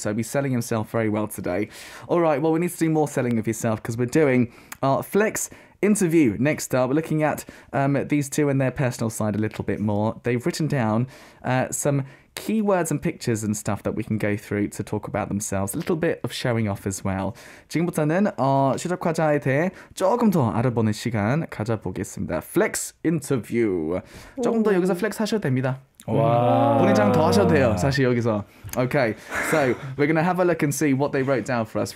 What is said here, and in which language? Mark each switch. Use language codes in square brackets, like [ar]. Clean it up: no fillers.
[en] So, he's selling himself very well today. All right, well, we need to do more selling of yourself because we're doing our Flex interview next up. We're looking at these two and their personal side a little bit more. They've written down some keywords and pictures and stuff that we can go through to talk about themselves. A little bit of showing off as well. [ko] 지금부터는 시작 과자에 대해 조금 더 알아보는 시간 가져보겠습니다. Flex interview. 조금 더 여기서 flex 하셔도 됩니다. 와. 본인 자랑 더 하셔도 돼요. 사실 여기서. Okay. [en] So we're going to have a look and see what they wrote down for us.